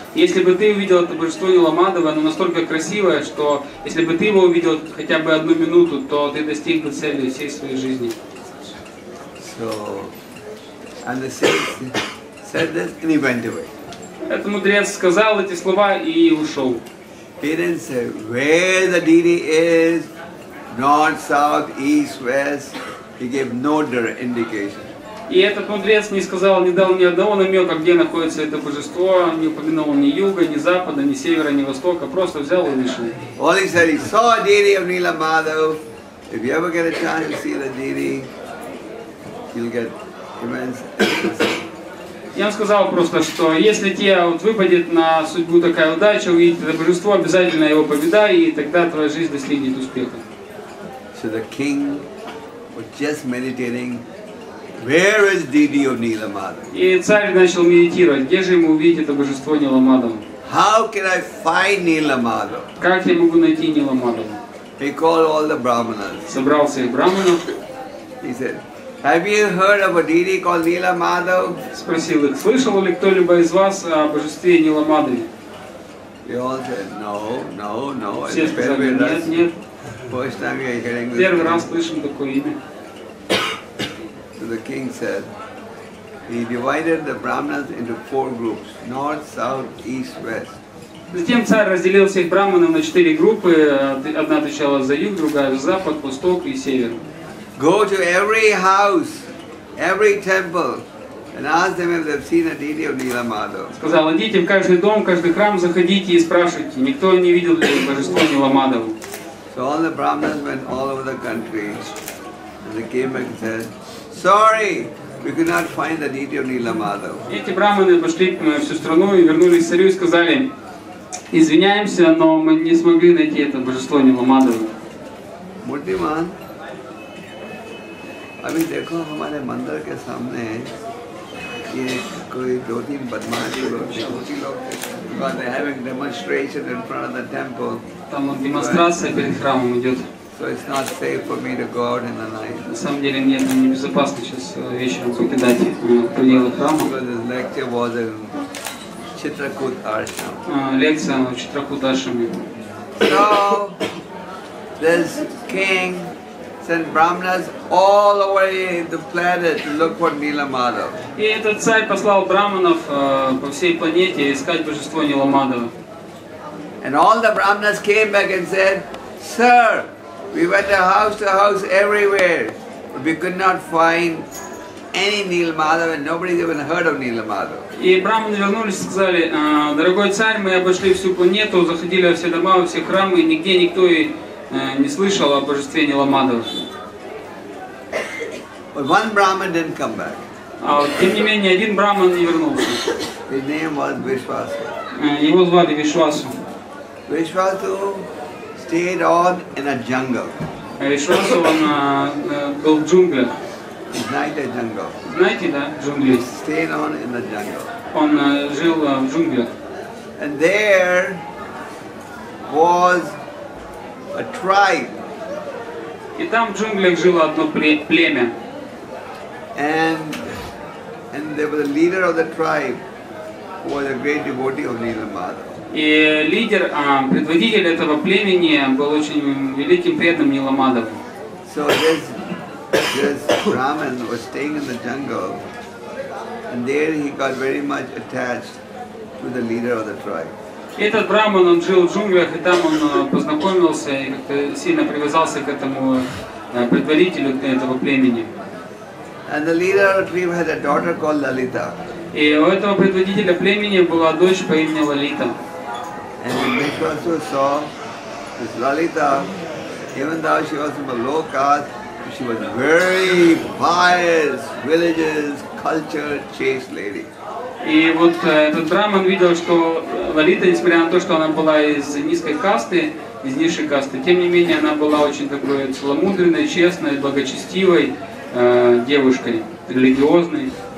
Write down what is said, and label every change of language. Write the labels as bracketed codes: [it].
[ru] Если бы ты увидел это божество Нила Мадхава, оно настолько красивое, что если бы ты его увидел хотя бы одну минуту, то ты достиг бы цели всей своей жизни. [en] So, and the sage said this, and he went away. [ru] Этот мудрец сказал эти слова и ушел. [en] He didn't say where the deity is, north, south, east, west. He gave no indication. [ru] И этот мудрец не сказал, не дал ни одного намека, где находится это божество, не упомянул ни юга, ни запада, ни севера, ни востока, просто взял и вышел. [en] All he said, he saw a deity of Nila Madhav. If you ever get a chance to see the deity, you'll get immense. [ru] Я сказал просто, что если тебе вот выпадет на судьбу такая удача, увидеть это божество, обязательно его повидай, и тогда твоя жизнь достигнет успеха. [en] So the king was just meditating. Where is deity of Nila Madhav? [ru] И царь начал медитировать. Где же ему увидеть это божество Нила Мадхава? [en] How can I find Nila Madhav? [ru] Как я могу найти Нила Мадхава? [en] He called all the brahmanas. [ru] Собрал всех брахманов. [en] He said, Have you heard of a deity called Nila Madhav? [ru] Спросил их. Слышал ли кто-либо из вас о божестве Нила Мадхава? [en] They all said, No. [ru] Все сказали, нет. [en] First time you're hearing this. [ru] Первый раз слышим такое имя. [en] The king said he divided the brahmanas into four groups: north, south, east, west. [ru] Затем царь разделил всех брахманов на четыре группы. Одна отвечала за юг, другая за запад, восток и север. [en] Go to every house, every temple, and ask them if they've seen a deity of Nila Madhav. [ru] Сказал: идите в каждый дом, каждый храм, заходите и спрашивайте. Никто не видел ли божество Нила Мадхава. [en] So all the brahmanas went all over the country. And they came back and said, sorry, we could not find the deity of Nilamadhava. [ru] Эти брахманы пошли всю страну и вернулись к царю и сказали, извиняемся, но мы не смогли найти это божество Ниламадхава. [hi] Мультиман, अभी देखो हमारे मंदिर के सामने ये कोई दो तीन बदमाशी लोग छोटी लोग बात है [en] having demonstration in front of the temple. [ru] Там демонстрация перед храмом идет. [en] So it's not safe for me to go out in the night. [ru] На самом деле мне небезопасно сейчас вечером покидать пределы храма. [en] Because this lecture was in Chitrakut Ashram. [ru] Лекция в Chitrakut Ashram. [en] So this king sent brahmanas all the way the planet to look for Nilamadhava. [ru] И этот царь послал брахманов по всей планете искать божество Ниламадхава. [en] And all the brahmanas came back and said, sir, we went to house everywhere, but we could not find any Nilamadhava, and nobody's even heard of Nilamadhava. [ru] И брахманы вернулись и сказали, дорогой царь, мы обошли всю планету, заходили во все дома, во все храмы, и нигде никто и не слышал о божестве Ниламадхава. [en] But one brahman didn't come back. [ru] Тем не менее, один брахман не вернулся. [en] His name was Vishwasu. [ru] Его звали Вишвасу. [en] Vishwasu stayed on in a jungle. [ru] Vishwasu он был в джунглях. Знаете, джунгл. Знаете, да, джунгли. [en] Stayed on in the jungle. [ru] Он жил в джунглях. [en] And there was a tribe. [ru] И там в джунглях жило одно племя. [en] And there was a leader of the tribe who was a great devotee of Nilamadhava. [ru] И лидер, предводитель этого племени был очень великим преданным Ниламадхаву. [en] So this Brahman was staying in the jungle, and there he got very much attached to the leader of the tribe. [ru] Этот Брахман, он жил в джунглях, и там он познакомился и как-то сильно привязался к этому предводителю этого племени. [en] And the leader of the tribe had a daughter called Lalita. [ru] И у этого предводителя племени была дочь по имени Лалита. [en] And Vishwasu saw this Lalita, even though she was from a low caste, she was very pious, religious, culture, chaste lady. [ru] И вот этот Браман видел, что Лалита, несмотря на то, что она была из низкой касты, из низшей касты, тем не менее она была очень такой целомудренной, честной, благочестивой девушкой, религиозной.